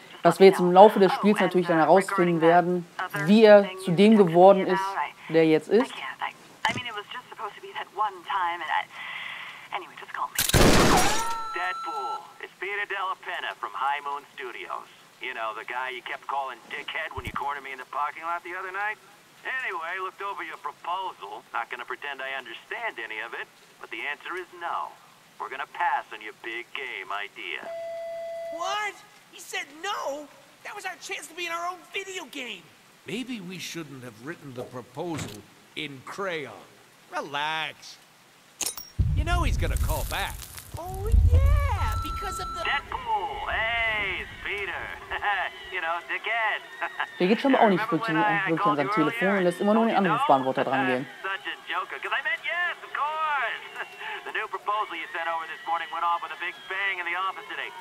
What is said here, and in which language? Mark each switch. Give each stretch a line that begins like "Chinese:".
German: Was wir jetzt im Laufe des Spiels natürlich dann herausfinden werden, wie er zu dem geworden ist, der jetzt ist. Deadpool, es ist Peter Della Penna von High Moon Studios.
English: You know, the guy you kept calling dickhead when you cornered me in the parking lot the other night? Anyway, I looked over your proposal. Not gonna pretend I understand any of it, but the answer is no. We're gonna pass on your big game idea. What? He said no? That was our chance to be in our own video game. Maybe we shouldn't have written the proposal in crayon. Relax. You know he's gonna call back. Oh, yeah, because of the... Deadpool! Hey, it's Peter. You know, dickhead.
German: Der geht schon mal auch nicht wirklich an sein Telefon und lässt immer nur den Anrufbeantworter dran gehen.
English: Such a joker, because I meant yes, of course. The new proposal you sent over this morning went off with a big bang in the office today.